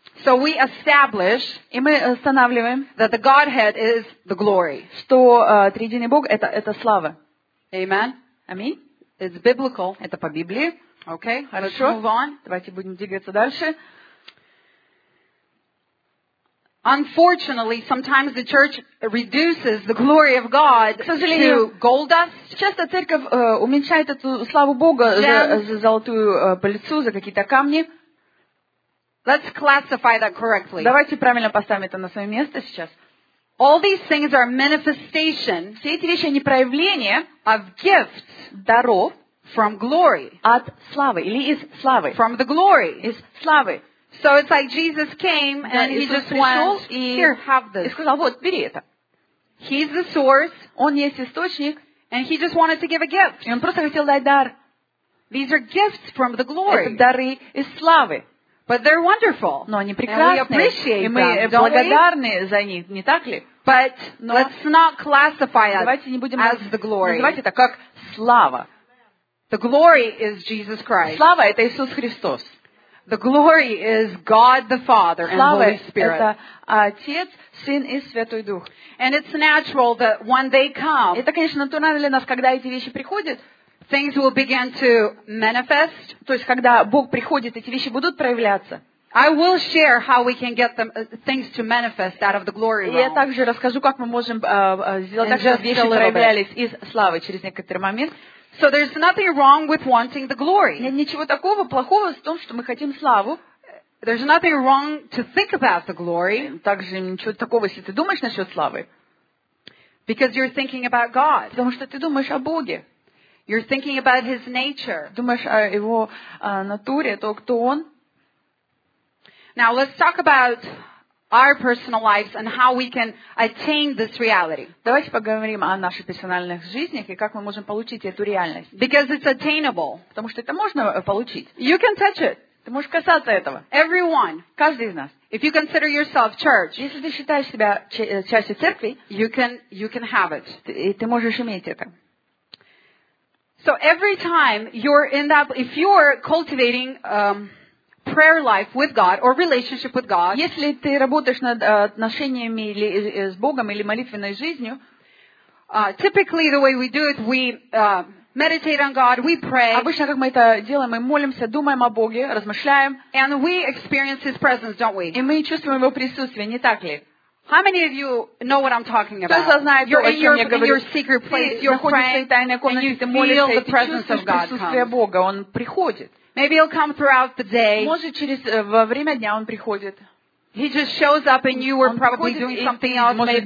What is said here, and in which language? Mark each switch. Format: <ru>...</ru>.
<en>So we establish,</en> <ru>и мы устанавливаем,</ru> <en>that the Godhead is the glory.</en> <ru>Что триединый Бог это слава.</ru> <en>Amen.</en> <ru>Аминь.</ru> <en>It's biblical.</en> <ru>Это по Библии.</ru> <en>Okay.</en> <ru>Хорошо.</ru> <en>Let's move on.</en> <ru>Давайте будем двигаться дальше.</ru> <en>Unfortunately, sometimes the church reduces the glory of God to gold dust.</en> <ru>Часто церковь уменьшает эту славу Бога за золотую пыльцу, за какие-то камни.</ru> <en>Let's classify that correctly.</en> <ru>Давайте правильно поставим это на свое место сейчас.</ru> <en>All these things are manifestation.</en> <ru>Все эти вещи они проявления</ru> <en>of gifts,</en> <ru>даров,</ru> <en>from glory,</en> <ru>от славы или из славы,</ru> <en>from the glory,</en> <ru>из славы.</ru> <en>So it's like Jesus came and he just went here, have this.</en> <ru>И сказал, вот, бери это.</ru> <en>He's the source.</en> <ru>Он есть источник.</ru> <en>And he just wanted to give a gift.</en> <ru>И он просто хотел дать дар.</ru> <en>These are gifts from the glory.</en> <ru>Это дары из славы.</ru> <en>But they're wonderful.</en> <ru>Но они прекрасны. И мы благодарны за них, не так ли?</ru> <en>But let's not classify it as the glory.</en> <ru>Называйте это как слава.</ru> <en>The glory is Jesus Christ.</en> <ru>Слава это Иисус Христос.</ru> <en>The glory is God the Father and</en> <ru>слава</ru> <en>Holy Spirit.</en> <ru>Это Отец, Сын и Святой Дух.</ru> <en>And it's natural that when they come,</en> <ru>это, конечно, натурально для нас, когда эти вещи приходят.</ru> <en>Things will begin to manifest.</en> <ru>То есть, когда Бог приходит, эти вещи будут проявляться.</ru> <en>I will share how we can get the things to manifest out of the glory realm.</en> <ru>Я также расскажу, как мы можем сделать так, чтобы вещи проявлялись из славы через некоторый момент.</ru> <en>So there's nothing wrong with wanting the glory.</en> <ru>Нет ничего такого плохого в том, что мы хотим славу.</ru> <en>There's nothing wrong to think about the glory.</en> <ru>Также ничего такого, если ты думаешь насчет славы.</ru> <en>Because you're thinking about God.</en> <ru>Потому что ты думаешь о Боге.</ru> <en>You're thinking about his nature.</en> <ru>Думаешь о его натуре, то кто он.</ru> <en>Now let's talk about our personal lives and how we can attain this reality.</en> <ru>Давайте поговорим о наших персональных жизнях и как мы можем получить эту реальность.</ru> <en>Because it's attainable.</en> <ru>Потому что это можно получить.</ru> <en>You can touch it.</en> <ru>Ты можешь касаться этого.</ru> <en>Everyone.</en> <ru>Каждый из нас.</ru> <en>If you consider yourself church,</en> <ru>если ты считаешь себя частью церкви,</ru> <en>you can have it.</en> <ru>Ты можешь иметь это.</ru> <en>So every time you're in that, if you're cultivating prayer life with God or relationship with God,</en> <ru>если ты работаешь над отношениями или с Богом или молитвенной жизнью,</ru> <en>typically the way we do it, we meditate on God, we pray.</en> <ru>Обычно как мы это делаем, мы молимся, думаем о Боге, размышляем,</ru> <en>and we experience His presence, don't we?</en> <ru>И мы чувствуем Его присутствие, не так ли?</ru> <en>How many of you know what I'm talking about?</en> <ru>Кто знает,</ru> <en>you're in your, secret place, you're praying, and you feel the presence of God come. Maybe he'll come throughout the day. He just shows up and you were probably doing something else.</en>